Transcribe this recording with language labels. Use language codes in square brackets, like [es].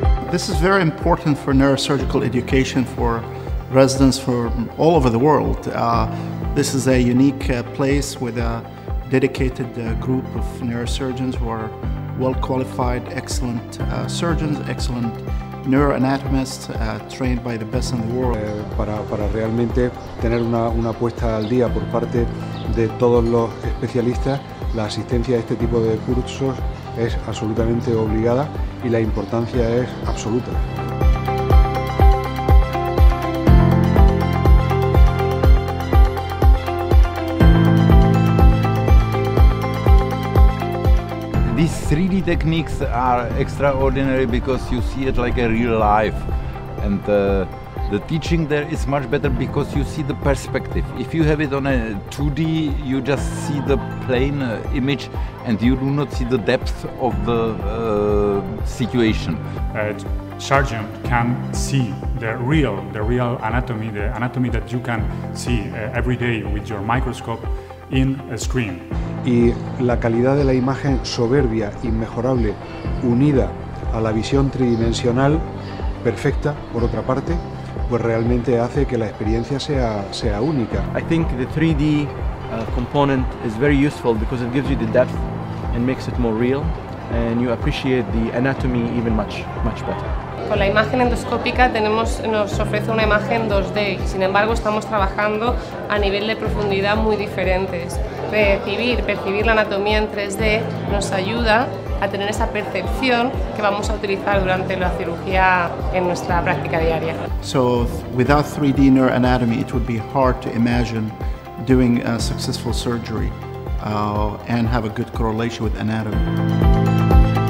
[en] This is very important for neurosurgical education for residents from all over the world. This is a unique place with a dedicated group of neurosurgeons who are well-qualified, excellent surgeons, excellent neuroanatomists, trained by the best in the world. [es] Para realmente tener una puesta al día por parte de todos los especialistas, la asistencia a este tipo de cursos es absolutamente obligada y la importancia es absoluta. [en] These 3D techniques are extraordinary because you see it like a real life, and the teaching there is much better because you see the perspective. If you have it on a 2D, you just see the plain image and you do not see the depth of the situation. A surgeon can see the real anatomy, the anatomy that you can see every day with your microscope in a screen. [es] Y la calidad de la imagen soberbia, inmejorable, unida a la visión tridimensional, perfecta, por otra parte, pues realmente hace que la experiencia sea única. [en] I think the 3D component is very useful because it gives you the depth and makes it more real, and you appreciate the anatomy even much better. [es] Con la imagen endoscópica nos ofrece una imagen 2D, sin embargo estamos trabajando a nivel de profundidad muy diferentes. Percibir la anatomía en 3D nos ayuda a tener esa percepción que vamos a utilizar durante la cirugía en nuestra práctica diaria. [en] So without 3D neuroanatomy, it would be hard to imagine doing a successful surgery and have a good correlation with anatomy.